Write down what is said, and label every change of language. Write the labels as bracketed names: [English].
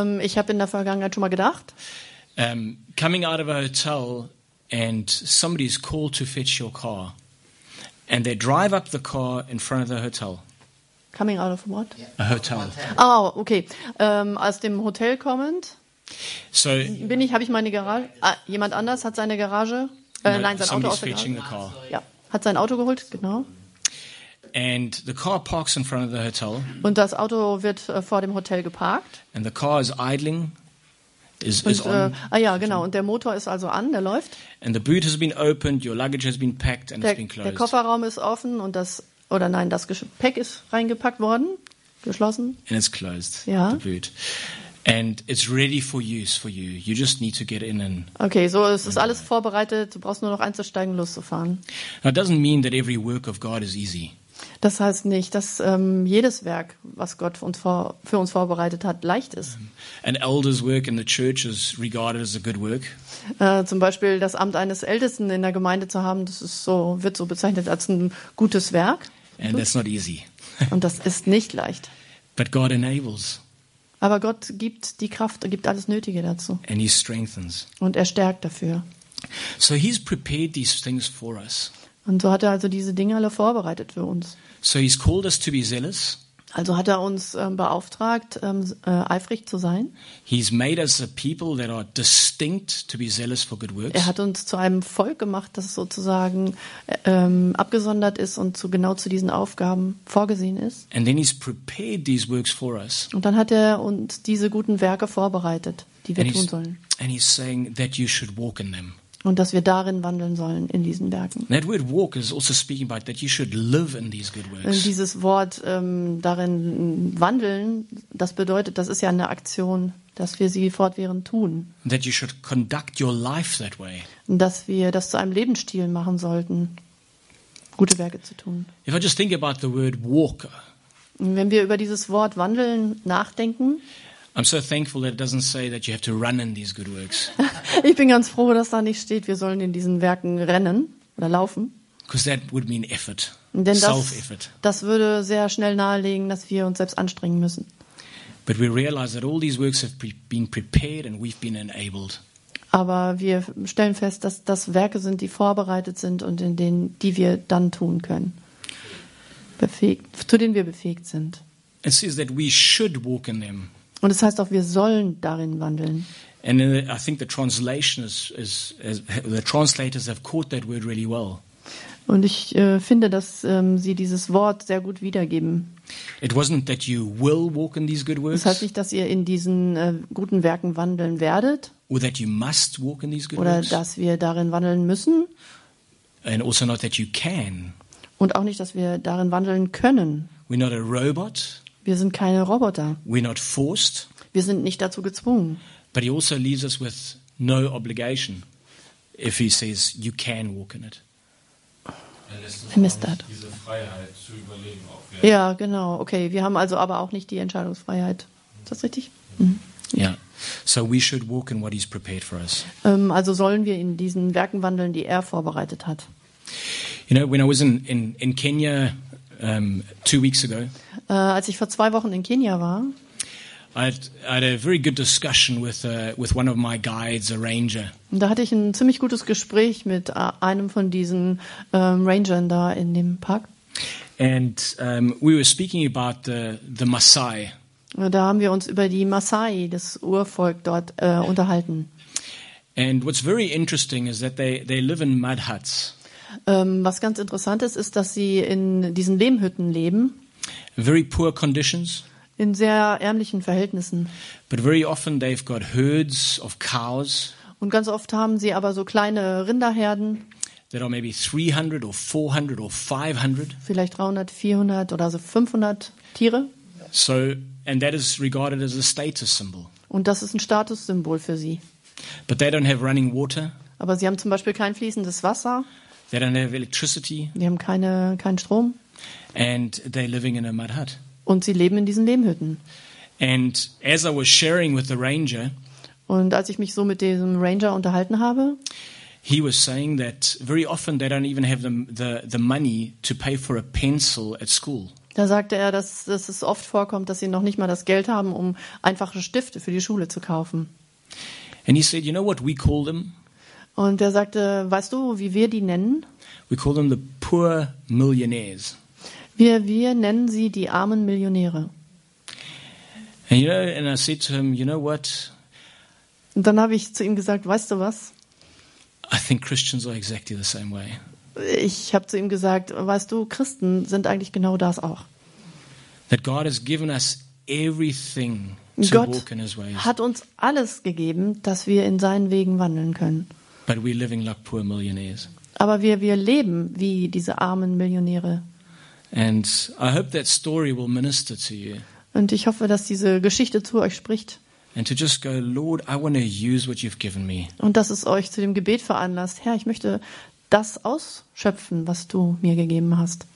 [German] Ich habe in der Vergangenheit schon mal gedacht. [English] Coming out of a hotel and somebody is called to fetch your car. And they drive up the car in front of the hotel. Coming out of what? A hotel. [German] Ah, oh, okay. Aus dem Hotel kommend. So. Bin ich? Habe ich meine Garage? Jemand anders hat seine Garage. Sein Auto aus der Garage. [English] The car. [German] Ja, hat sein Auto geholt, genau. [English] And the car parks in front of the hotel. [German] Und das Auto wird vor dem Hotel geparkt. [English] And the car is idling. [German] Genau. Und der Motor ist also an, der läuft. [English] And the boot has been opened, your luggage has been packed and it's been closed. [German] Der Kofferraum ist offen und das. Oder nein, das Gepäck ist reingepackt worden, geschlossen. [English] And it's closed. [German] Ja. [English] The boot. And it's ready for use for you. You just need to get in and. [German] Okay, so es ist alles vorbereitet. Du brauchst nur noch einzusteigen, loszufahren. [English] Now, it doesn't mean that every work of God is easy. [German] Das heißt nicht, dass jedes Werk, was Gott für uns vorbereitet hat, leicht ist. [English] An elder's work in the church is regarded as a good work. [German] Zum Beispiel das Amt eines Ältesten in der Gemeinde zu haben, das ist so, wird so bezeichnet als ein gutes Werk. [English] And that's not easy. [German] Und das ist nicht leicht. [English] But God enables. [German] Aber Gott gibt die Kraft, gibt alles Nötige dazu. [English] And he strengthens. [German] Und er stärkt dafür. [English] So he's prepared these things for us. [German] Und so hat er also diese Dinge alle vorbereitet für uns. [English] So he's called us to be zealous. [German] Also hat er uns beauftragt, eifrig zu sein. [English] He's made us a people that are distinct to be zealous for good works. [German] Er hat uns zu einem Volk gemacht, das sozusagen abgesondert ist und genau zu diesen Aufgaben vorgesehen ist. [English] And then he's prepared these works for us. [German] Und dann hat er uns diese guten Werke vorbereitet, die wir tun sollen. [English] And he's saying that you should walk in them. [German] Und dass wir darin wandeln sollen, in diesen Werken. [English] That word walk is also speaking about that you should live in these good works. [German] Und dieses Wort darin wandeln, das bedeutet, das ist ja eine Aktion, dass wir sie fortwährend tun. [English] That you should conduct your life that way. [German] Dass wir das zu einem Lebensstil machen sollten, gute Werke zu tun. [English] If I just think about the word walk. [German] Wenn wir über dieses Wort wandeln nachdenken. [English] I'm so thankful that it doesn't say that you have to run in these good works. [German] Ich bin ganz froh, dass da nicht steht, wir sollen in diesen Werken rennen oder laufen. [English] Because that would mean effort. [German] Denn self-effort. Das würde sehr schnell nahelegen, dass wir uns selbst anstrengen müssen. [English] But we realize that all these works have been prepared and we've been enabled. [German] Aber wir stellen fest, dass das Werke sind, die vorbereitet sind und in denen die wir dann tun können. Befähigt sind. [English] It says that we should walk in them. [German] Und es heißt auch, wir sollen darin wandeln. [English] And I think the translation is the translators have caught that word really well. [German] Und ich finde, dass sie dieses Wort sehr gut wiedergeben. [English] It wasn't that you will walk in these good works. [German] Es heißt nicht, dass ihr in diesen guten Werken wandeln werdet. [English] Or that you must walk in these good [German] oder [English] works. [German] Dass wir darin wandeln müssen. [English] And also not that you can. [German] Und auch nicht, dass wir darin wandeln können. [English] We're not a robot. [German] Wir sind keine Roboter. [English] We're not forced. [German] Wir sind nicht dazu gezwungen. [English] But he also leaves us with no obligation if he says you can walk in it. [German] Er lässt uns diese Freiheit zu überlegen auch. Ja, genau. Okay, wir haben also aber auch nicht die Entscheidungsfreiheit. Ist das richtig? Ja. Mhm. [English] Yeah. So we should walk in what he's prepared for us. [German] Also sollen wir in diesen Werken wandeln, die er vorbereitet hat. [English] You know, when I was in Kenya 2 weeks ago, [German] als ich vor 2 Wochen in Kenia war, [English] I had a very good discussion with one of my guides, a ranger. [German] Da hatte ich ein ziemlich gutes Gespräch mit einem von diesen Rangern da in dem Park. [English] And we were speaking about the Maasai. [German] Da haben wir uns über die Maasai, das Urvolk dort unterhalten. [English] And what's very interesting is that they live in mud huts. [German] Was ganz interessant ist, ist, dass sie in diesen Lehmhütten leben. [English] Very poor conditions. [German] In sehr ärmlichen Verhältnissen. [English] But very often they've got herds of cows. [German] Und ganz oft haben sie aber so kleine Rinderherden. [English] That are maybe 300 or 400 or 500. [German] Vielleicht 300, 400 oder so 500 Tiere. [English] So, and that is regarded as a status symbol. [German] Und das ist ein Statussymbol für sie. [English] But they don't have running water. [German] Aber sie haben zum Beispiel kein fließendes Wasser. [English] They don't have electricity. [German] Die haben keinen Strom. [English] And they're living in a mud hut. [German] Und sie leben in diesen Lehmhütten. [English] And as I was sharing with the ranger, [German] und als ich mich so mit diesem Ranger unterhalten habe, [English] he was saying that very often they don't even have the money to pay for a pencil at school. [German] Da sagte er, dass es oft vorkommt, dass sie noch nicht mal das Geld haben, um einfache Stifte für die Schule zu kaufen. [English] And he said, you know what we call them? [German] Und er sagte, weißt du, wie wir die nennen? [English] We call them the poor millionaires. [German] Wir nennen sie die armen Millionäre. [English] And you know, and I said to him, you know what? [German] Und dann habe ich zu ihm gesagt, weißt du was? [English] I think Christians are exactly the same way. [German] Ich habe zu ihm gesagt, weißt du, Christen sind eigentlich genau das auch. [English] That God has given us everything to [German] Gott [English] walk in his ways. [German] Hat uns alles gegeben, dass wir in seinen Wegen wandeln können. [English] But we're living like poor millionaires. [German] Aber wir leben wie diese armen Millionäre. [English] And I hope that story will minister to you. [German] Und ich hoffe, dass diese Geschichte zu euch spricht. [English] And to just go, Lord, I want to use what you've given me. [German] Und dass es euch zu dem Gebet veranlasst, Herr, ich möchte das ausschöpfen, was du mir gegeben hast.